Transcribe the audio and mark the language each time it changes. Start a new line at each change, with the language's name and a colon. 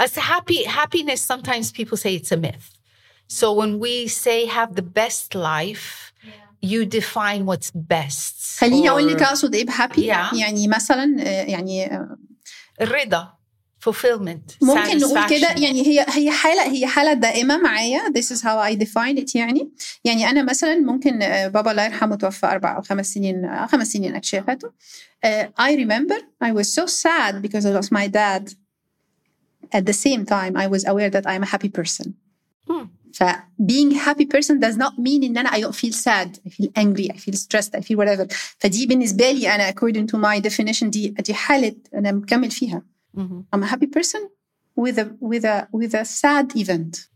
English: As happiness, sometimes people say it's a myth. So when we say have the best life, yeah, you define what's best.
Arabic: خليني أقول لك أقصد إيه بحابي.
English: Yeah.
Arabic: يعني مثلا يعني الرضا. Fulfillment. ممكن نقول كده يعني هي حالة دائمة معايا.
English: This is how I define it, يعني.
Arabic: يعني أنا مثلا ممكن بابا الله يرحمه توفى 4 أو 5 سنين أكشي فاته.
English: I remember I was so sad because I lost my dad. At the same time, I was aware that I'm a happy person. Being happy person does not mean
Arabic: إن أنا
English: I don't feel sad, I feel angry, I feel stressed, I feel whatever.
Arabic: فدي بالنسبة لي أنا
English: according to my definition
Arabic: دي حالة أنا مكمل فيها. Mm-hmm.
English: I'm a happy person with a sad event,